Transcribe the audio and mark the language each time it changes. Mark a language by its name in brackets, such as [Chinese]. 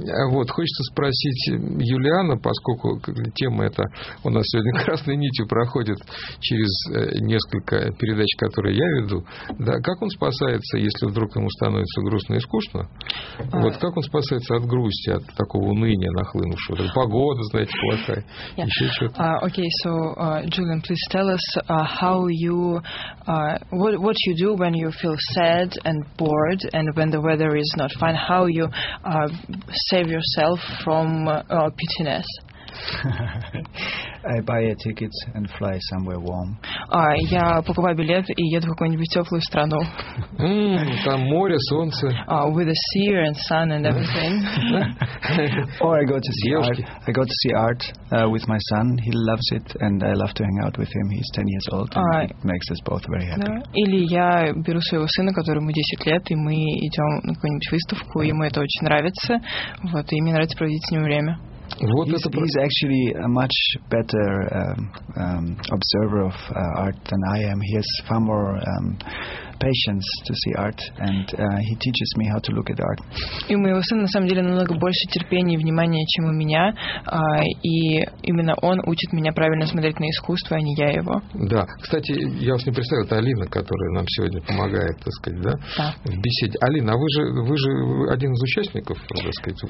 [Russian] Вот, хочется спросить Юлиана, поскольку тема эта у нас сегодня красной нитью проходит через несколько передач, которые я веду. Да, как он спасается, если вдруг ему становится грустно и скучно? Вот как он спасается от грусти, от такого уныния нахлынувшего? Погода, знаете, плохая. [English] Yeah. Julian, please tell us what you do when you feel sad and bored, and when the weather is not fine. How you save yourself from pittiness? I buy a ticket and fly somewhere warm. [Russian] Я покупаю билет и еду в какую-нибудь теплую страну. Там море, солнце. [English] With the sea and sun and everything. Or I go to see art with my son. He loves it and I love to hang out with him. He's 10 years old and it makes us both very happy. [Russian] Или я беру своего сына, которому 10 лет, и мы идем на какую-нибудь выставку, и ему это очень нравится. Вот, и мне нравится проводить с ним время. [English] Вот he's actually a much better observer of art than I am. He has far more patience to see art, and he teaches me how to look at art. [Russian] И у моего сына на самом деле намного больше терпения и внимания, чем у меня, и именно он учит меня правильно смотреть на искусство, а не я его. Да. Кстати, я вас не представил, это Алина, которая нам сегодня помогает, так сказать, да, в беседе. Алина, вы же один из участников, так сказать.